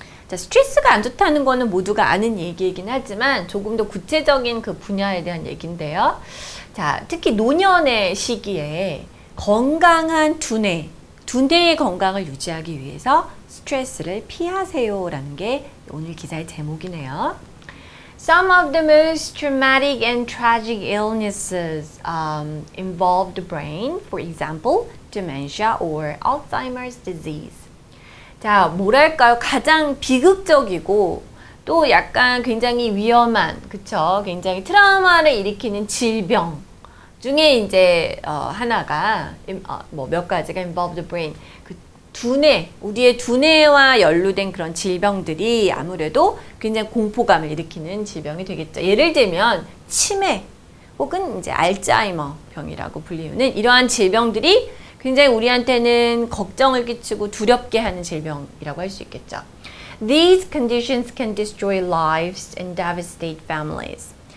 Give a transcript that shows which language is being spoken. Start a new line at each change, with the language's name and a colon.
Korean: 자, 스트레스가 안 좋다는 거는 모두가 아는 얘기이긴 하지만 조금 더 구체적인 그 분야에 대한 얘기인데요. 자, 특히 노년의 시기에 건강한 두뇌, 두뇌의 건강을 유지하기 위해서 스트레스를 피하세요라는 게 오늘 기사의 제목이네요.
English: Some of the most traumatic and tragic illnesses involve the brain, for example, dementia or Alzheimer's disease.
Korean: 자, 뭐랄까요? 가장 비극적이고 또 약간 굉장히 위험한, 그쵸? 굉장히 트라우마를 일으키는 질병 중에 이제 하나가 뭐 몇 가지가
English: involve the brain.
Korean: 그 두뇌, 우리의 두뇌와 연루된 그런 질병들이 아무래도 굉장히 공포감을 일으키는 질병이 되겠죠. 예를 들면 치매 혹은 이제 알츠하이머 병이라고 불리는 이러한 질병들이 굉장히 우리한테는 걱정을 끼치고 두렵게 하는 질병이라고 할 수 있겠죠.
English: These conditions can destroy lives and devastate families.